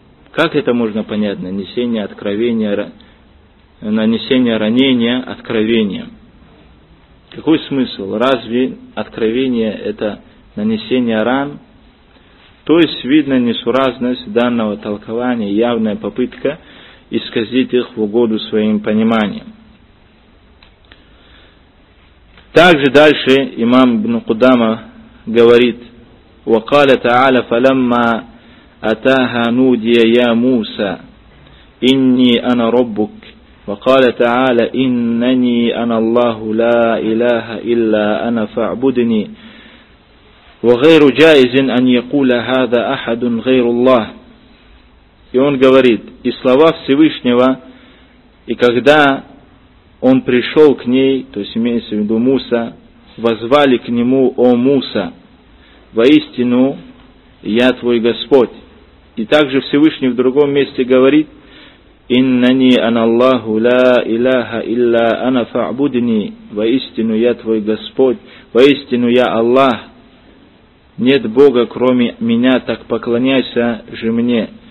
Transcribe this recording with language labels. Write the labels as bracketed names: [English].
[Russian] Как это можно понять? Нанесение откровения, нанесение ранения откровением. Какой смысл? Разве откровение это нанесение ран? То есть видно несуразность данного толкования, явная попытка исказить их в угоду своим пониманиям. Также дальше имам ибн Кудама говорит: [Arabic] وَقَالَ تَعَالَى فَلَمَّا أَتَاهَا نُودِيَ يَا مُوسَى إِنِّي أَنَا رَبُّكَ وَقَالَ تَعَالَى إِنَّنِي أَنَا اللَّهُ لَا إِلَهَ إِلَّا أَنَا فَاعْبُدْنِي وَغَيْرُ جَائِزٍ أَنْ يَقُولَ هَذَا أَحَدٌ غَيْرُ اللَّهِ. [Russian] И он говорит, и слова Всевышнего, и когда он пришел к ней, то есть имеется в виду Муса, воззвали к нему: «О Муса, воистину я твой Господь». И также Всевышний в другом месте говорит: [Arabic] «Иннани аналлаху ла илаха илля ана фаабудни», [Russian] «Воистину я твой Господь», «Воистину я Аллах, нет Бога кроме меня, так поклоняйся же мне».